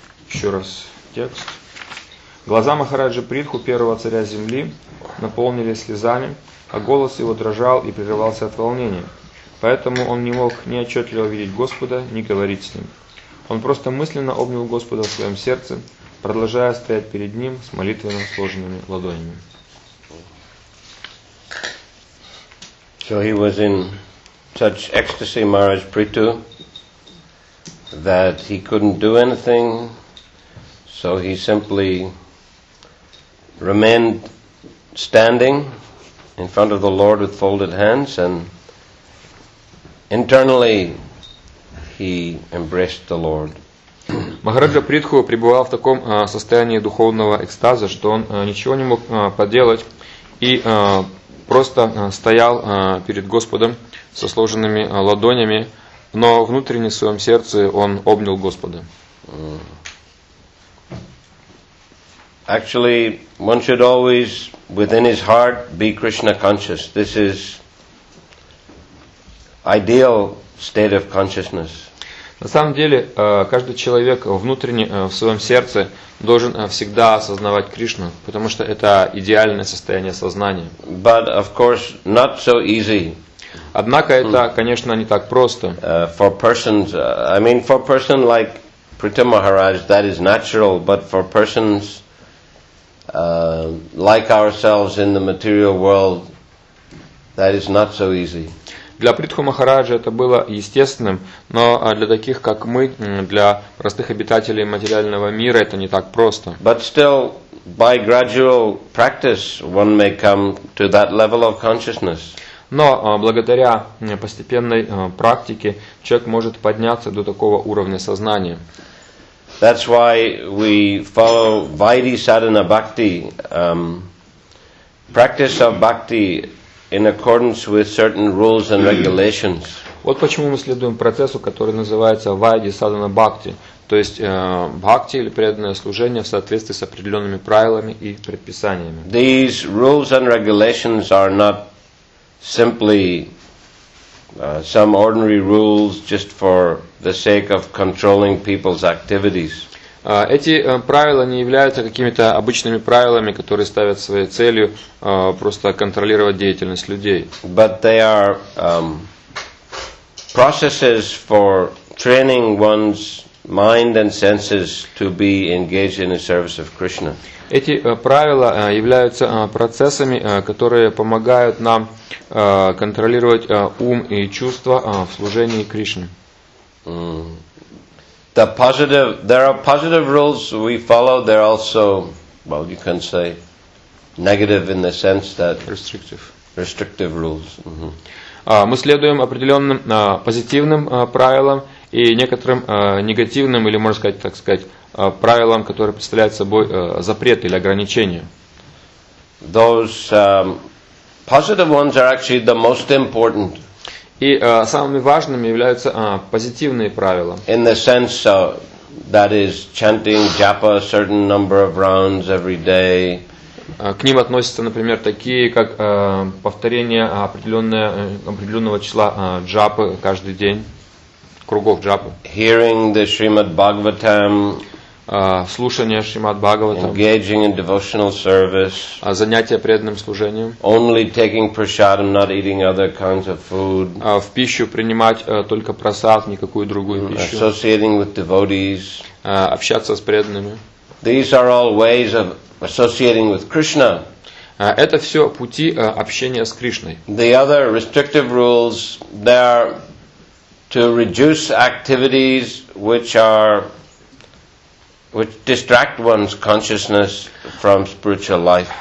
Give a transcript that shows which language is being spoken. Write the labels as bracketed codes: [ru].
[ru] Еще раз текст. Глаза Махараджи Притху, первого царя земли, наполнились слезами, а голос его дрожал и прерывался от волнения. Поэтому он не мог ни отчетливо видеть Господа, ни говорить с ним. Он просто мысленно обнял Господа в своем сердце, продолжая стоять перед ним с молитвенно сложенными ладонями. [en] So he was in such ecstasy, Maharaj Prithu, that he couldn't do anything, so he simply remained standing in front of the Lord with folded hands, and internally he embraced the Lord. [ru] Махараджа Притху пребывал в таком состоянии духовного экстаза, что он ничего не мог поделать и просто стоял перед Господом со сложенными ладонями, но внутренне в своем сердце он обнял Господа. [en] Actually, one should always, within his heart, be Krishna conscious. This is ideal state of consciousness. [ru] На самом деле, каждый человек внутренне, в своем сердце, должен всегда осознавать Кришну, потому что это идеальное состояние сознания. [en] But, of course, not so easy. [ru] Однако это, конечно, не так просто. [en] For persons like Prithu Maharaj, that is natural, but for persons like ourselves in the material world, that is not so easy. [ru] Для Притху Махараджа это было естественным, но для таких, как мы, для простых обитателей материального мира, это не так просто. [en] But still, by gradual practice, one may come to that level of consciousness. [ru] Но благодаря постепенной практике человек может подняться до такого уровня сознания. [en] That's why we follow Vaidhi Sadhana Bhakti, practice of Bhakti in accordance with certain rules and regulations. [ru] Вот почему мы следуем процессу, который называется Vaidhi Sadhana Bhakti, то есть Bhakti или преданное служение в соответствии с определенными правилами и предписаниями. [en] These rules and regulations are not simply some ordinary rules just for the sake of controlling people's activities. [ru] Эти правила не являются какими-то обычными правилами, которые ставят своей целью просто контролировать деятельность людей. [en] But they are processes for training one's mind and senses to be engaged in the service of Krishna. [ru] Эти правила являются процессами, которые помогают нам контролировать ум и чувства в служении Кришне. [en] There are positive rules we follow. There are also, well, you can say, negative in the sense that restrictive rules. [ru] Мы следуем определенным позитивным правилам и некоторым негативным или, можно сказать, так сказать, правилам, которые представляют собой запрет или ограничение. [en] Those positive ones are actually the most important. [ru] И самыми важными являются позитивные правила. [en] In the sense that is chanting japa a certain number of rounds every day. [ru] К ним относятся, например, такие, как повторение определенного числа джапы каждый день. кругов джапы. [en] Hearing the Srimad Bhagavatam, [ru] слушание Шримад Бхагаватам, [en] engaging in devotional service, [ru] занятие преданным служением, [en] only taking prasadam, not eating other kinds of food, [ru] в пищу принимать только прасад, никакую другую пищу, [en] associating with devotees, [ru] общаться с преданными. [en] These are all ways of associating with Krishna. [ru] Это все пути общения с Кришной. [en] The other restrictive rules, they are to reduce activities which distract one's consciousness from spiritual life.